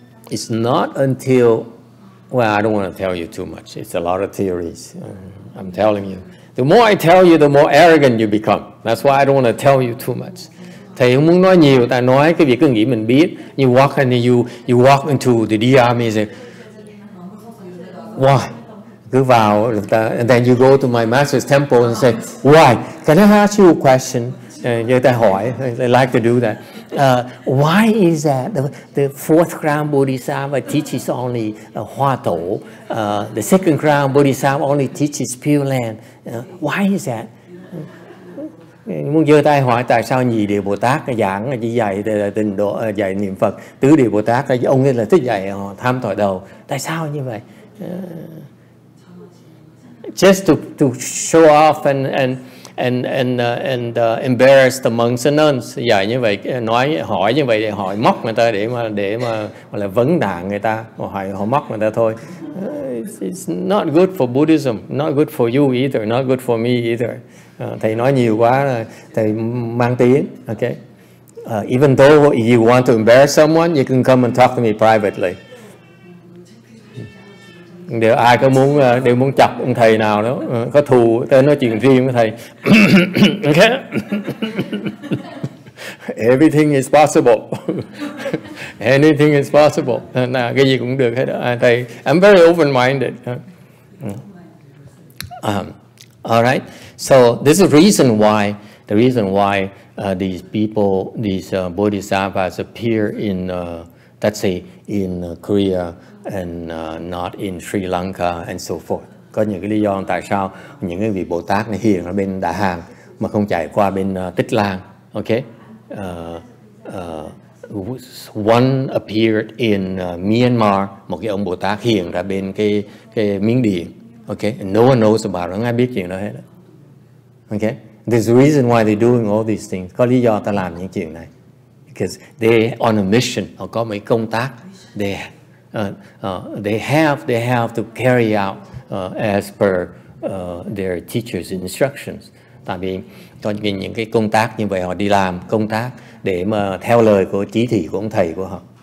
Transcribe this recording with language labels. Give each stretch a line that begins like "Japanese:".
English: It's not until, well, I don't want to tell you too much. It's a lot of theories. I'm telling you. The more I tell you, the more arrogant you become. That's why I don't want to tell you too much.
Vietnamese: Thầy không muốn nói nhiều, ta nói cái việc cứ nghĩ mình biết.
English: You walk and you walk into the DR music. Why?
Vietnamese: Cứ vào,
English: and then you go to my master's temple and say, why? Can I ask you a question?
Vietnamese: Người ta hỏi,
English: they like to do that. Why is that the fourth ground bodhisattva teaches only hoa thổ, the second ground bodhisattva only teaches pure land? Why is that?
Vietnamese: Muốn giơ tay hỏi tại sao nhị địa Bồ Tát giảng chỉ dạy tình độ, dạy niệm Phật, tứ địa Bồ Tát ông ấy là thích dạy tham thọ đầu, tại sao như vậy?
English: Just to show off and embarrass the monks and nuns.
Vietnamese: Dạy như vậy, nói hỏi như vậy để hỏi móc người ta, để mà là vấn đạn người ta, họ móc người ta thôi.
English: It's not good for Buddhism, not good for you either, not good for me either.
Vietnamese: Thầy nói nhiều quá thầy mang tiếng.
English: Okay. Even though you want to embarrass someone, you can come and talk to me privately.
Vietnamese: Nếu ai có muốn, đều muốn chọc ông thầy nào đó, có thù, tới nói chuyện riêng với thầy.
English: Okay. Everything is possible. Anything is possible.
Vietnamese: Nào, cái gì cũng được hết. Thầy,
English: I'm very open-minded. All right. So this is the reason why these people, these bodhisattvas appear in, let's say, in Korea, and not in Sri Lanka and so forth.
Vietnamese: Có những cái lý do tại sao những cái vị Bồ Tát này hiện ở bên Đà Hàn mà không chạy qua bên Tích Lan. Okay.
English: One appeared in Myanmar,
Vietnamese: một cái ông Bồ Tát hiện ra bên cái Miến Điện. Okay.
English: And no one knows about it.
Vietnamese: Không ai biết chuyện đó hết.
English: Okay. There's a reason why they're doing all these things.
Vietnamese: Có lý do ta làm những chuyện này.
English: Because they're on a mission.
Vietnamese: Họ có mấy công tác.
English: They have to carry out as per their teacher's instructions.
Vietnamese: Tại vì có những cái công tác như vậy, họ đi làm công tác để mà theo lời của chỉ thị của ông thầy của họ.